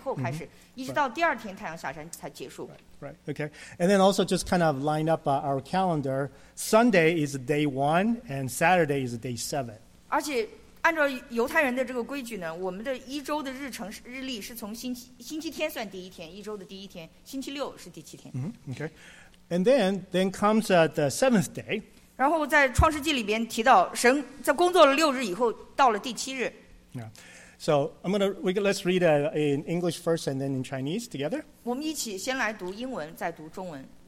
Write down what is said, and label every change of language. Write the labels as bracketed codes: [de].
[zh] 你知道吗？因为它是先提到晚上有晚上有早晨，所以犹太人的日一天是从晚上太阳下山以后开始，一直到第二天太阳下山才结束。 [en] Right, okay. And then also just kind of line up our calendar. Sunday is day one, and Saturday is day seven. [zh] 而且按照犹太人的这个规矩呢，我们的一周的日程日历是从星期天算第一天，一周的第一天，星期六是第七天。 [en] Okay. And then comes the seventh day. [zh] 然后在创世纪里边提到，神在工作了六日以后，到了第七日。 [en] Yeah. So let's read it in English first and then in Chinese together. [zh] 我们一起先来读英文，再读中文。